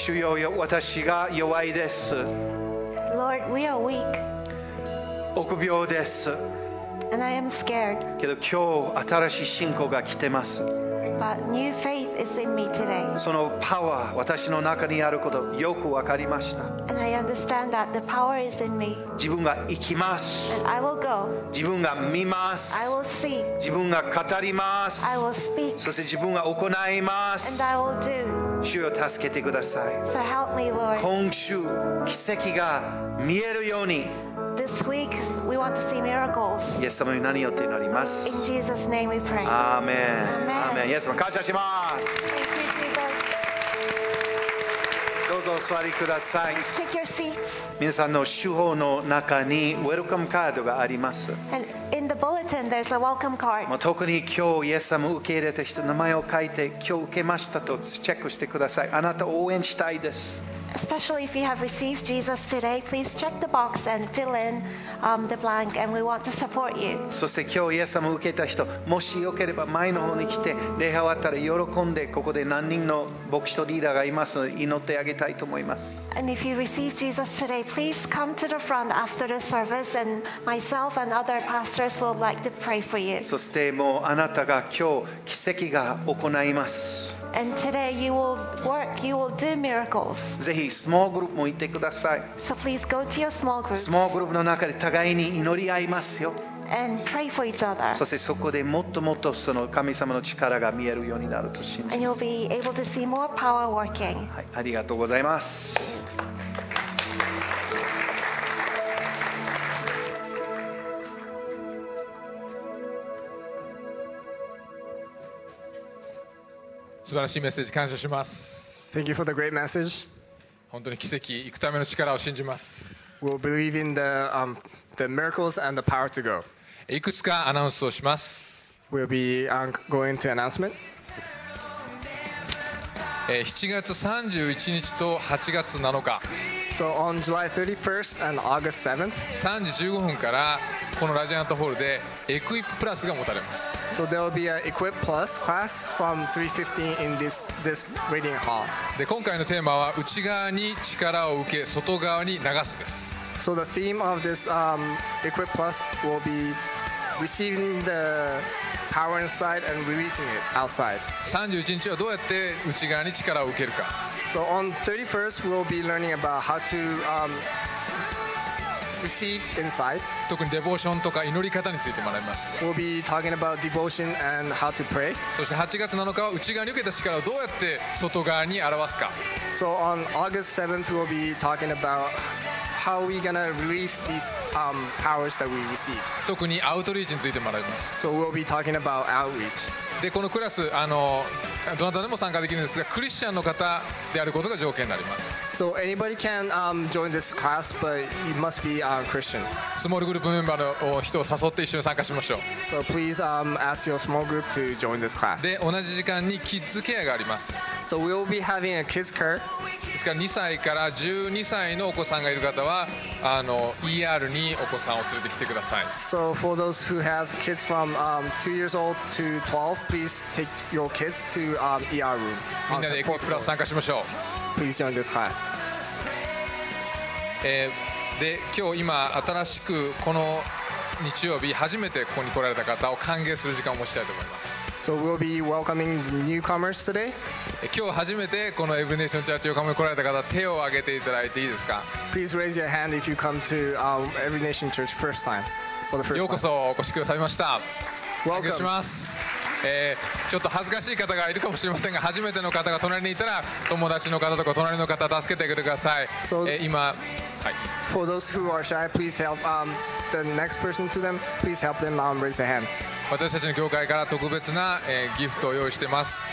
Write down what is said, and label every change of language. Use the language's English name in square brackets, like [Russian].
[Japanese] 主よ、私が弱いです。 [English] Lord, we are weak. [Japanese] 臆病です。 [English] And I am scared. [Japanese] けど今日新しい信仰が来てます。 [English] But new faith is in me today. [Japanese] そのパワー私の中にあることよく分かりました。 [English] And I understand that the power is in me. [Japanese] 自分が行きます。 [English] And I will go. [Japanese] 自分が見ます。 [English] I will see. [Japanese] 自分が語ります。 [English] I will speak. [Japanese] そして自分が行います。 [English] And I will do. [Japanese] 主よ助けてください。 [English] So help me, Lord. [Japanese] 今週奇跡が見えるように。 [English] This week we want to see miracles. [Japanese] イエス様に何よって祈ります。 [English] In Jesus' name we pray. [Japanese] アーメン。アーメン。イエス様感謝します。 [English] Thank you, Jesus. [Japanese] どうぞお座りください。 [English] Please take your seats. [Japanese] 皆さんの手法の中にウェルカムカードがあります。 [English] And in the bulletin there's a welcome card. [Japanese] 特に今日イエス様を受け入れた人の名前を書いて今日受けましたとチェックしてください。あなたを応援したいです。 [English] Especially if you have received Jesus today, please check the box and fill in、the blank, and we want to support you. [Japanese] そして今日イエス様を受けた人、もしよければ前の方に来て礼拝終わったら喜んで、ここで何人の牧師とリーダーがいますので祈ってあげたいと思います。 [English] And if you receive Jesus today, please come to the front after the service, and myself and other pastors would like to pray for you. [Japanese] そしてもうあなたが今日奇跡が行います。 [English] And today you will work, you will do miracles. [Japanese] ぜひスモールグループも行ってください。 [English] So please go to your small groups. [Japanese] スモールグループの中で互いに祈り合いますよ。 [English] And pray for each other. [Japanese] そしてそこでもっともっとその神様の力が見えるようになると信じます。 [English] And you'll be able to see more power working. [Japanese] はい、ありがとうございます。素晴らしいメッセージ感謝します。 [English] Thank you for the great message. [Japanese] 本当に奇跡行くための力を信じます。 [English] We'll believe in the miracles and the power to go. [Japanese] いくつかアナウンスをします。 [English] We'll be going to announcement. [Japanese] 7月31日と8月7日 [English] So on July 31st and August 7th [Japanese] 3時15分からこのラジアントホールでエクイップラスが持たれます。 [English] So there will be an Equip Plus class from 3:15 in this reading hall. [Japanese] で今回のテーマは内側に力を受け外側に流すです。 [English] So the theme of this Equip Plus will be receiving the power inside and releasing it outside. [Japanese] 31日はどうやって内側に力を受けるか。 [English] So on 31st we'll be learning about how to receive inside. [Japanese] 特にデボーションとか祈り方について学びます。 [English] We'll be talking about devotion and how to pray. [Japanese] そして8月7日は内側に受けた力をどうやって外側に表すか。 [English] So on August 7th we'll be talking about how we're gonna release these powers that we receive. [Japanese] 特にアウトリーチについて学びます。 [English] So we'll be talking about outreach. [Japanese] でこのクラスどなたでも参加できるんですが、クリスチャンの方であることが条件になります。 [English] So anybody can join this class, but you must be a Christian. [Japanese] スモールグループメンバーの人を誘って一緒に参加しましょう。 [English] So please ask your small group to join this class. [Japanese] で、同じ時間にキッズケアがあります。 [English] So we'll be having a kids care. [Japanese] ですから2歳から12歳のお子さんがいる方は、ER にお子さんを連れてきてください。 [English] So for those who have kids from 2 years old to 12, please take your kids to ER room. [Japanese] みんなでエクイプラス参加しましょう。 [English] Please join this class. [Japanese] で今日今新しくこの日曜日初めてここに来られた方を歓迎する時間を持ちたいと思います。 [English] So we'll be welcoming newcomers today. [Japanese] 今日初めてこのエブリネーションチャーチ横浜に来られた方、手を挙げていただいていいですか。 [English] Please raise your hand if you come to Every Nation Church first time. For the first time. [Japanese] ようこそお越しくださいました。 [English] Welcome. [Japanese] 歓迎します。ちょっと恥ずかしい方がいるかもしれませんが、初めての方が隣にいたら友達の方とか隣の方助けてください。今 [English] For those who are shy, please help the next person to them. Please help them now and raise their hands. [Japanese] 私たちの教会から特別な、ギフトを用意しています。